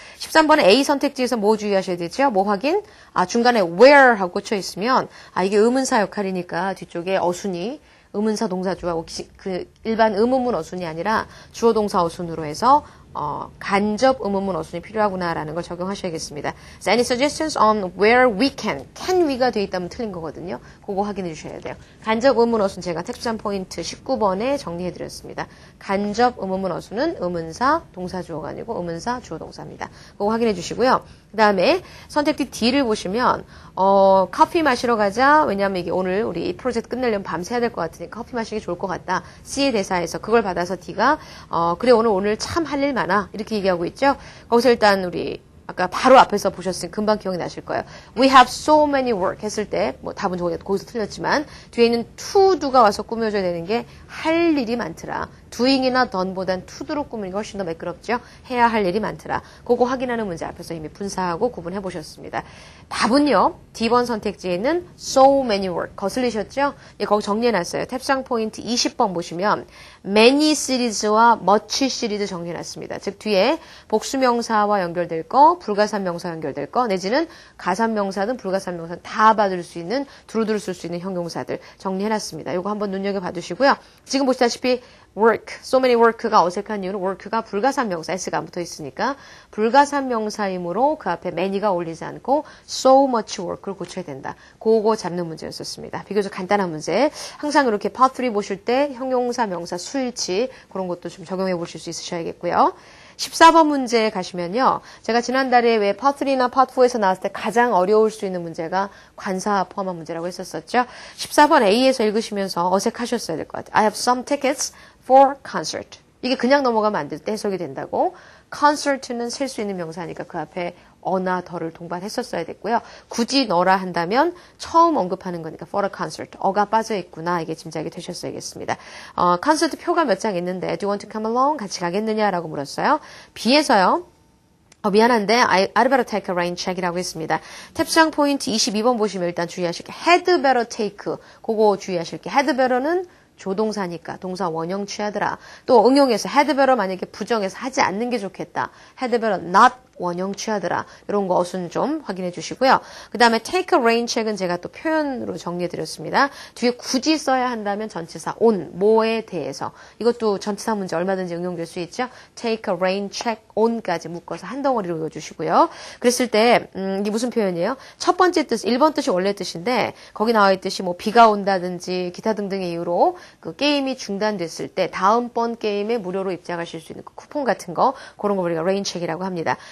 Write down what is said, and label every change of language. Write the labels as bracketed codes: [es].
[ko] 13번에 A 선택지에서 뭐 주의하셔야 되죠? 뭐 확인? 아, 중간에 where 하고 꽂혀 있으면, 아, 이게 의문사 역할이니까 뒤쪽에 어순이, 의문사 동사 주하고 그 일반 의문문 어순이 아니라 주어 동사 어순으로 해서, 간접 의문문 어순이 필요하구나라는 걸 적용하셔야겠습니다. [en] So any suggestions on where we can? [ko] Can we가 되어 있다면 틀린 거거든요. 그거 확인해 주셔야 돼요. 간접 의문문 어순 제가 특수한 포인트 19번에 정리해 드렸습니다. 간접 의문문 어순은 의문사 동사 주어가 아니고 의문사 주어 동사입니다. 그거 확인해 주시고요. 그다음에 선택지 D를 보시면 커피 마시러 가자. 왜냐하면 이게 오늘 우리 이 프로젝트 끝내려면 밤새야 될것 같으니 커피 마시기 좋을 것 같다. C의 대사에서 그걸 받아서 D가 그래 오늘 참할일 많아. 이렇게 얘기하고 있죠. 거기서 일단 우리 아까 바로 앞에서 보셨으니 금방 기억이 나실 거예요. [en] We have so many work [ko] 했을 때, 뭐 답은 거기서 틀렸지만, 뒤에 있는 to do가 와서 꾸며줘야 되는 게할 일이 많더라. doing이나 done보단 to do로 꾸미는 게 훨씬 더 매끄럽죠? 해야 할 일이 많더라. 그거 확인하는 문제 앞에서 이미 분사하고 구분해 보셨습니다. 답은요, D번 선택지에는 [en] so many work. [ko] 거슬리셨죠? 예, 거기 정리해 놨어요. 탭상 포인트 20번 보시면, many 시리즈와 much 시리즈 정리해 놨습니다. 즉, 뒤에 복수명사와 연결될 거, 불가산 명사 연결될 거, 내지는 가산 명사든 불가산 명사든 다 받을 수 있는, 두루두루 쓸수 있는 형용사들 정리해 놨습니다. 이거 한번 눈여겨봐 두시고요. 지금 보시다시피, work, [en] so many work [ko] 가 어색한 이유는 work가 불가산 명사, s가 안 붙어 있으니까 불가산 명사이므로 그 앞에 many가 어울리지 않고 [en] so much work [ko] 를 고쳐야 된다. 그거 잡는 문제였었습니다. 비교적 간단한 문제. 항상 이렇게 part 3 보실 때 형용사, 명사, 수일치 그런 것도 좀 적용해 보실 수 있으셔야겠고요. 14번 문제 가시면요. 제가 지난달에 왜 파트리나 파트4에서 나왔을 때 가장 어려울 수 있는 문제가 관사 포함한 문제라고 했었었죠. 14번 A에서 읽으시면서 어색하셨어야 될것 같아요. [en] I have some tickets for concert. [ko] 이게 그냥 넘어가면 안 돼. 해석이 된다고. concert는 셀수 있는 명사니까 그 앞에 어나 더를 동반했었어야 됐고요. 굳이 너라 한다면 처음 언급하는 거니까 [en] for a concert. [ko] 어가 빠져 있구나. 이게 짐작이 되셨어야겠습니다. [en] concert [ko] 표가 몇장 있는데, [en] do you want to come along? [ko] 같이 가겠느냐? 라고 물었어요. B에서요. 미안한데, [en] I'd better take a rain check [ko] 이라고 했습니다. 탭상 포인트 22번 보시면 일단 주의하실 게, had better take. 그거 주의하실 게, had better는 조동사니까 동사 원형 취하더라. 또 응용해서 had better 만약에 부정해서 하지 않는 게 좋겠다. had better not 원형 취하더라. 이런 거 어순 좀 확인해 주시고요. 그 다음에 take a rain check은 제가 또 표현으로 정리해 드렸습니다. 뒤에 굳이 써야 한다면 전치사 on, 뭐에 대해서. 이것도 전치사 문제 얼마든지 응용될 수 있죠. [en] take a rain check on [ko] 까지 묶어서 한 덩어리로 외워 주시고요. 그랬을 때, 이게 무슨 표현이에요? 첫 번째 뜻, 1번 뜻이 원래 뜻인데, 거기 나와 있듯이 뭐 비가 온다든지 기타 등등의 이유로 그 게임이 중단됐을 때, 다음번 게임에 무료로 입장하실 수 있는 그 쿠폰 같은 거, 그런 거 우리가 rain check이라고 합니다.